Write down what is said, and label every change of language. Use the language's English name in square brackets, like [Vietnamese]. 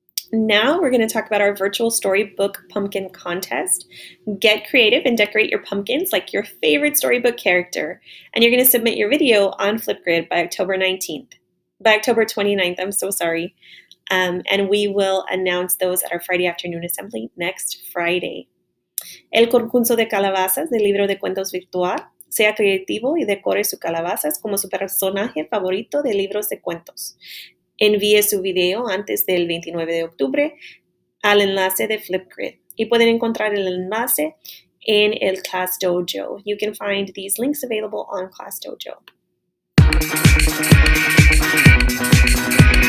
[English] Now we're going to talk about our virtual storybook pumpkin contest. Get creative and decorate your pumpkins like your favorite storybook character, and you're going to submit your video on Flipgrid by October 19th. By October 29th, I'm so sorry. And we will announce those at our Friday afternoon assembly next Friday. [Spanish] El concurso de calabazas del libro de cuentos virtual. Sea creativo y decore su calabazas como su personaje favorito de libros de cuentos. Envíe su video antes del 29 de octubre al enlace de Flipgrid. Y pueden encontrar el enlace en el Class Dojo. [English] You can find these links available on Class Dojo. Thank you.